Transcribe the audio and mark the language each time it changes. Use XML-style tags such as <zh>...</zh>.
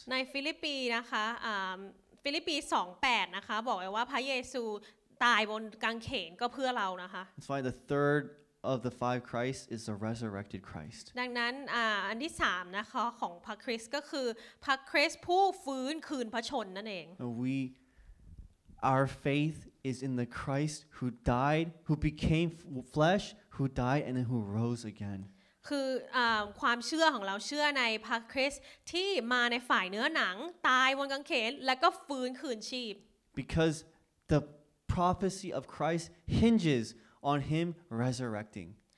<th>ในฟิลิปปีนะคะฟิลิปปี 2:8 นะคะบอกไว้ว่าพระเยซูตายบนกางเขนก็เพื่อเรานะคะ</th> <en>That's why the third of the five Christ is the resurrected Christ</en> <th>ดังนั้นอันที่3นะคะของพระคริสต์ก็คือพระคริสต์ผู้ฟื้นคืนพระชนนั่นเอง</th> <en>Our faith is in the Christ who died, who became flesh, who died, and then who rose again.</en> <th>คือความเชื่อของเราเชื่อในพระคริสต์ที่มาในฝ่ายเนื้อหนังตายบนกางเขนแล้วก็ฟื้นคืนชีพ</th> <en>Because the prophecy of Christ hinges on him resurrecting.</en>